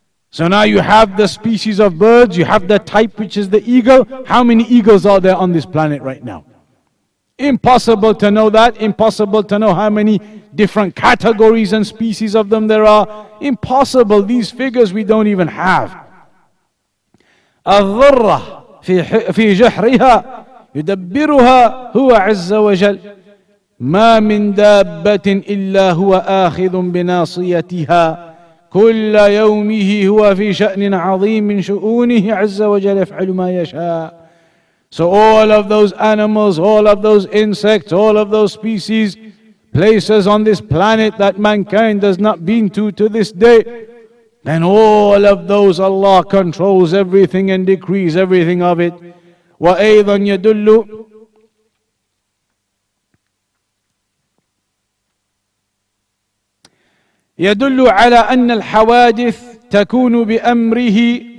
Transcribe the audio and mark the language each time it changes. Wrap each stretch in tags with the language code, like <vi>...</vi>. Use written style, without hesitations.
<en>So now you have the species of birds, you have the type which is the eagle. How many eagles are there on this planet right now? Impossible to know that. Impossible to know how many different categories and species of them there are. Impossible. These figures we don't even have.</en> <ar>الظرّة في جحرها يدبرها هو عز وجل ما من دابة إلا هو آخذ بناصيتها كل يومه هو في شأن عظيم من شؤونه عز وجل يفعل ما يشاء.</ar> <en>So all of those animals, all of those insects, all of those species, places on this planet that mankind has not been to this day, then all of those Allah controls everything and decrees everything of it.</en> <ar>وَأَيْضًا يَدُلُّ يَدُلُّ عَلَىٰ أَنَّ الْحَوَادِثِ تَكُونُ بِأَمْرِهِ.</ar>